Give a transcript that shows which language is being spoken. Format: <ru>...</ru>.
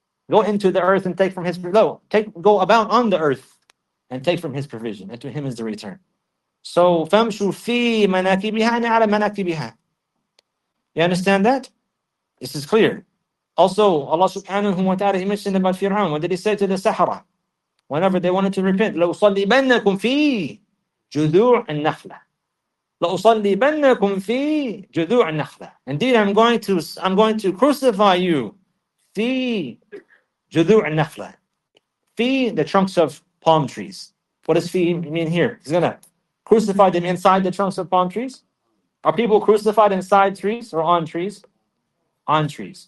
<en>Go into the earth and take from His provision. No, go about on the earth and take from His provision. And to Him is the return. So</en> <ar>فَمْشُوا فِي مَنَاكِبِهَا عَلَى مَنَاكِبِهَا.</ar> <en>You understand that? This is clear. Also, Allah subhanahu wa ta'ala, He mentioned about Fir'aun. What did He say to the Sahara? Whenever they wanted to repent,</en> <ar>لَأُصَلِّبَنَّكُمْ فِي جُذُوعِ النَّخْلَةِ لَأُصَلِّبَنَّكُمْ فِي جُذُوعِ النَّخْلَةِ.</ar> <en>Indeed, I'm going to crucify you</en> <ar>فِي جُذُوعِ النَّخْلَةِ.</ar> <en>فِي, the trunks of palm trees. What does فِي mean here? He's going to crucify them inside the trunks of palm trees? Are people crucified inside trees or on trees? On trees.</en>